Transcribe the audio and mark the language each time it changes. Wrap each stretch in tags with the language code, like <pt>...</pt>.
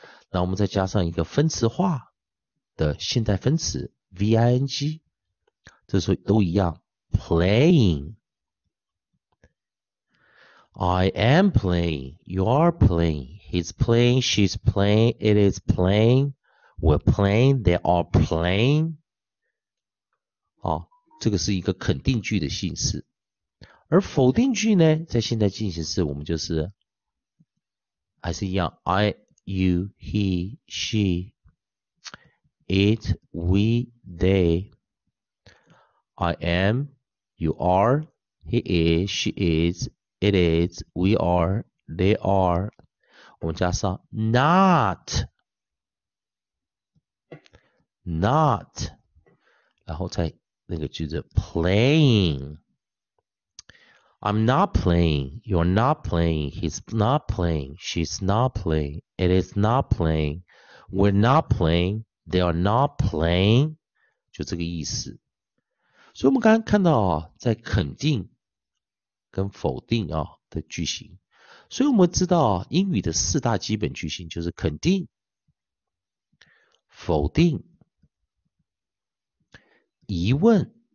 <zh>那我们再加上一个分词化的现在分词 ,V-I-N-G, 这时候都一样 ,playing.</zh> <en>I am playing, you are playing, he's playing, she's playing, it is playing, we're playing, they are playing.</en> <zh>好，这个是一个肯定句的形式。而否定句呢，在现在进行式，我们就是还是一样</zh> <en>，I, you, he, she, it, we, they, I am, you are, he is, she is, it is, we are, they are。</en> <zh>我们加上 not， 然后在那个句子 playing。</zh> <en>I'm not playing, you're not playing, he's not playing, she's not playing, it is not playing, we're not playing, they are not playing,</en> <zh>就这个意思。所以我们刚刚看到啊，在肯定跟否定啊的句型。所以我们知道啊，英语的四大基本句型就是肯定、否定、疑问。</zh>